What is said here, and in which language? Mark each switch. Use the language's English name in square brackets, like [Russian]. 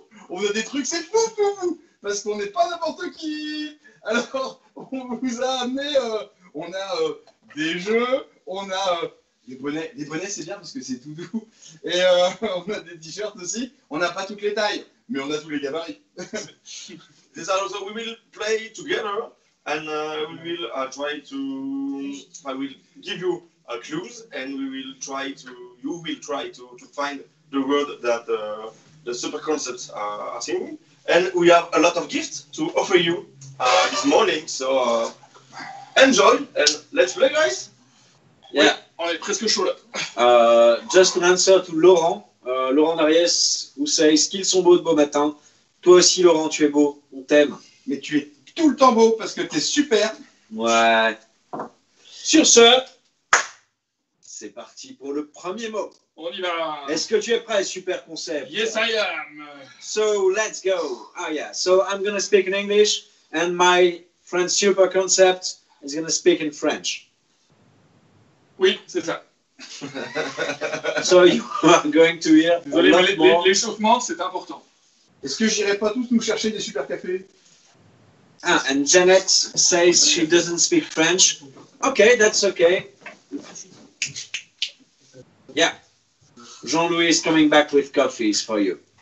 [French] on a des trucs, c'est fou, fou, fou, parce qu'on n'est pas n'importe qui. Alors, on vous a amené, on a des jeux, on a des bonnets. Les bonnets, c'est bien parce que c'est tout doux. Et on a des t-shirts aussi. On n'a pas toutes les tailles, mais on a tous les gabarits. [English] These are also, we will play together and we will try to, I will give you a clues and we will try to, you will try to find the word that the super concepts are singing. And we have a lot of gifts to offer you this morning. So enjoy and let's play, guys. Yeah. [French] On est presque chaud là. [English] Just an answer to Laurent. Laurent Darius, who says, [French] qu'ils sont beaux de beau matin. Toi aussi, Laurent, tu es beau. On t'aime. Mais tu es tout le temps beau parce que t'es super. Ouais. Sur ce, c'est parti pour le premier mot. On y va. Est-ce que tu es prêt, super concept? [English] Yes, I am. So, let's go. Ah, yeah. So, I'm going to speak in English and my friend super concept is going to speak in French. [French] Oui, c'est ça. [English] So, you are going to hear. [French] Désolé, mais l'échauffement, c'est important. Est-ce que j'irai pas tous nous chercher des super cafés? [English] Ah, and Janet says she doesn't speak French. Okay, that's okay. Yeah. Jean-Louis is coming back with coffees for you.